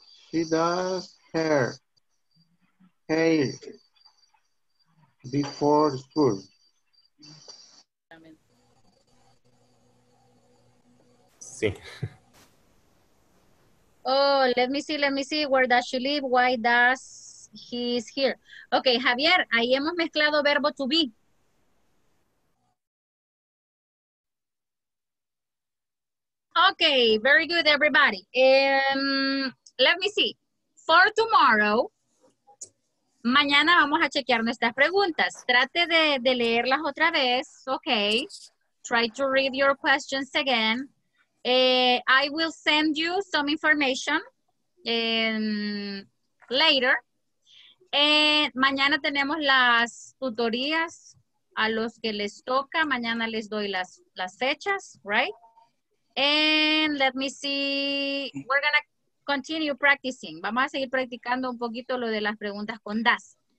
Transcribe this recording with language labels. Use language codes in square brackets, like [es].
[en] She does her hair before school. [es] Sí. [en] Oh, let me see, where does she live? Why does he is here? [es] Okay, Javier, ahí hemos mezclado verbo to be. [en] Okay, very good, everybody. Let me see. For tomorrow, [es] mañana vamos a chequear nuestras preguntas. Trate de leerlas otra vez, [en] okay? Try to read your questions again. I will send you some information later. [es] Mañana tenemos las tutorías a los que les toca. Mañana les doy las fechas, right? [en] And let me see, we're gonna continue practicing. [es] Vamos a seguir practicando un poquito lo de las preguntas con das.